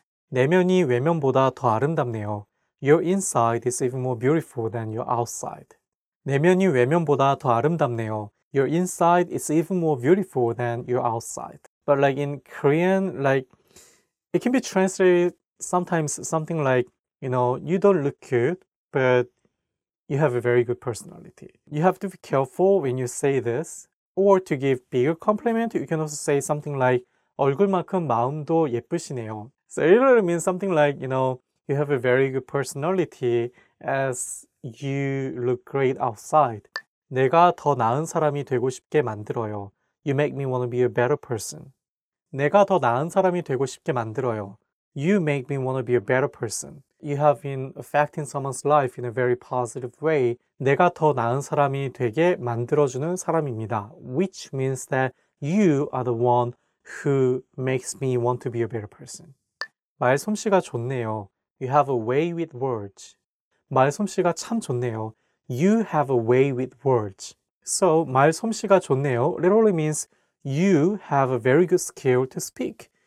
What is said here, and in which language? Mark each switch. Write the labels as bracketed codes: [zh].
[ko] 내면이 외면보다 더 아름답네요. [en] Your inside is even more beautiful than your outside. [ko] 내면이 외면보다 더 아름답네요. [en] Your inside is even more beautiful than your outside. But like in Korean, like it can be translated sometimes something like, you know, you don't look good, but you have a very good personality. You have to be careful when you say this. Or to give bigger compliment, you can also say something like [ko] 얼굴만큼 마음도 예쁘시네요. [en] So it literally means something like, you know, you have a very good personality as you look great outside. [ko] 내가 더 나은 사람이 되고 싶게 만들어요. [en] You make me want to be a better person. [ko] 내가 더 나은 사람이 되고 싶게 만들어요. [en] You make me want to be a better person. You have been affecting someone's life in a very positive way. [ko] 내가 더 나은 사람이 되게 만들어주는 사람입니다. [en] Which means that you are the one who makes me want to be a better person. [ko] 말솜씨가 좋네요. [en] You have a way with words. [ko] 말솜씨가 참 좋네요. [en] You have a way with words. So [ko] 말솜씨가 좋네요 [en] literally means you have a very good skill to speak.